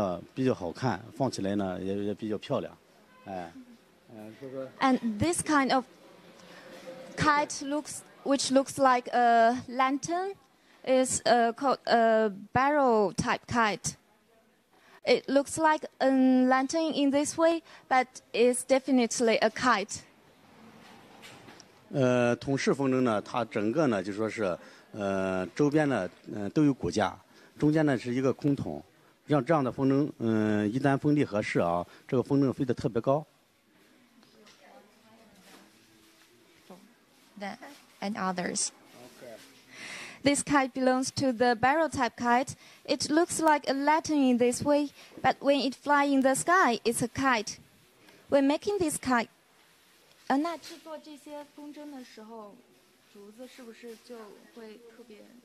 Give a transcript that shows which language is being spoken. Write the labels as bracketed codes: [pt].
[zh] 那我看，这里还有一些像宫灯一样的风筝哈，这个是风筝吗？还是就是一盏灯呢？它就是风筝，它是那种风筝呢，叫筒式风筝。对对对。可以啊。那大部分呢，咱们看到的大部分就是一般都是软式风筝，为软式风筝吧，它看起来啊比较好看，放起来呢也比较漂亮。 [en] And this kind of kite looks like a lantern is called a barrel type kite. It looks like a lantern in this way, but it's definitely a kite. [zh] 筒式风筝呢，它整个呢就说是，周边呢都有骨架，中间呢是一个空筒。像这样的风筝，一旦风力合适啊，这个风筝飞得特别高。 [en] And others. This kite belongs to the barrel type kite. It looks like a lantern in this way, but when it flies in the sky, it's a kite. When making this kite, [zh] 那制作这些风筝的时候，竹子是不是就会特别？